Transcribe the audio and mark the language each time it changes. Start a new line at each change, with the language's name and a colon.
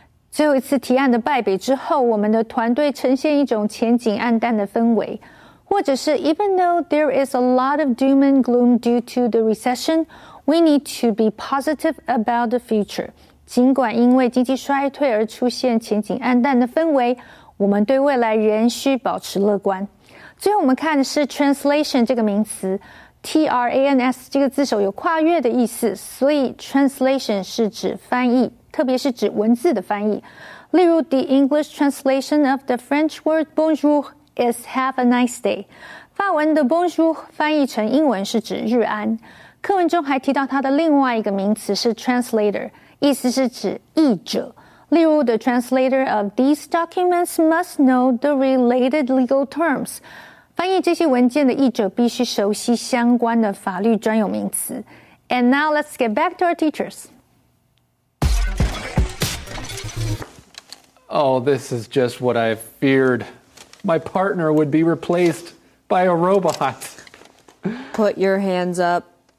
Chinese: 最后一次提案的败北之后，我们的团队呈现一种前景暗淡的氛围。或者是
English: even though there is a lot of doom and gloom due to the recession, we need to be positive about the future.
Chinese: 尽管因为经济衰退而出现前景暗淡的氛围，我们对未来仍需保持乐观。最后我们看的是 translation 这个名词， T-R-A-N-S 这个字首有跨越的意思，所以 translation 是指翻译，特别是指文字的翻译。
English: 例如 the English translation of the French word bonjour is have a nice day.
Chinese: 法文的 bonjour 翻译成英文是指日安。课文中还提到它的另外一个名词是 translator， 意思是指译者。
English: 例如 the translator of these documents must know the related legal terms.
Chinese: 翻译这些文件的译者必须熟悉相关的法律专有名词。
English: And now let's get back to our teachers. Oh, this is just what I feared. My partner would be replaced by a robot. Put your hands up.